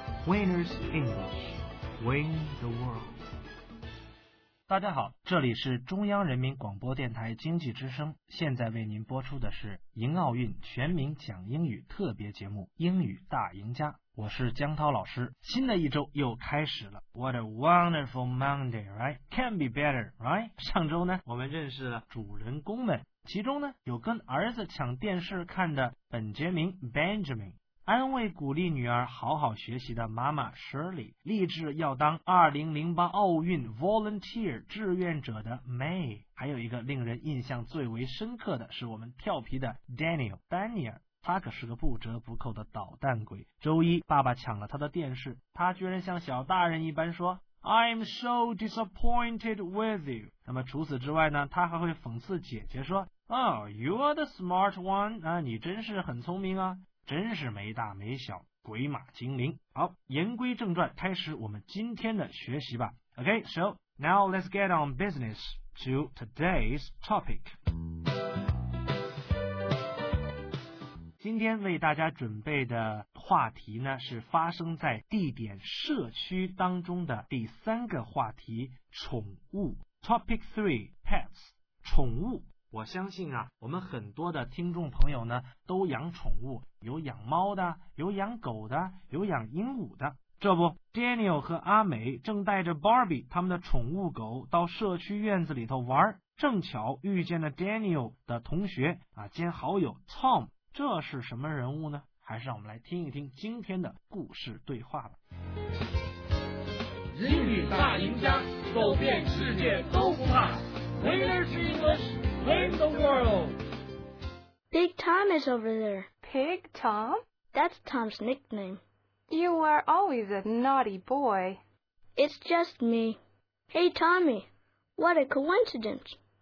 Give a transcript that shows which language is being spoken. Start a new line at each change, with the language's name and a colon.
English: Winners English Win the World。
Chinese: 大家好，这里是中央人民广播电台经济之声，现在为您播出的是迎奥运全民讲英语特别节目英语大赢家，我是江涛老师。新的一周又开始了，
English: What a wonderful Monday, right? Can't be better, right?
Chinese: 上周呢，我们认识了主人公们，其中呢，有跟儿子抢电视看的本杰明 Benjamin， 安慰鼓励女儿好好学习的妈妈 Shirley， 立志要当2008奥运 volunteer 志愿者的 May， 还有一个令人印象最为深刻的是我们调皮的 Daniel， 丹尼尔，他可是个不折不扣的捣蛋鬼。周一，爸爸抢了他的电视，他居然像小大人一般说
English: I'm so disappointed with you.
Chinese: 那么除此之外呢，他还会讽刺姐姐说
English: Oh, you're the smart one.
Chinese: 啊，你真是很聪明啊，真是没大没小，鬼马精灵。好，言归正传，开始我们今天的学习吧。
English: Okay, so now let's get on business to today's topic.
Chinese: 今天为大家准备的话题呢，是发生在地点社区当中的第三个话题，宠物。
English: Topic 3 Pets， 宠物。
Chinese: 我相信啊，我们很多的听众朋友呢都养宠物，有养猫的，有养狗的，有养鹦鹉的。这不， Daniel 和阿美正带着 Barbie 他们的宠物狗到社区院子里头玩，正巧遇见了 Daniel 的同学啊兼好友 Tom。这是什么人物呢？还是让我们来听一听今天的故事对话吧。英语大赢家，走遍世界都不怕。
English: Winners English, win the world. Big Tom is over there. Pig Tom? That's Tom's nickname. You are always a naughty boy. It's just me. Hey Tommy, what a coincidence.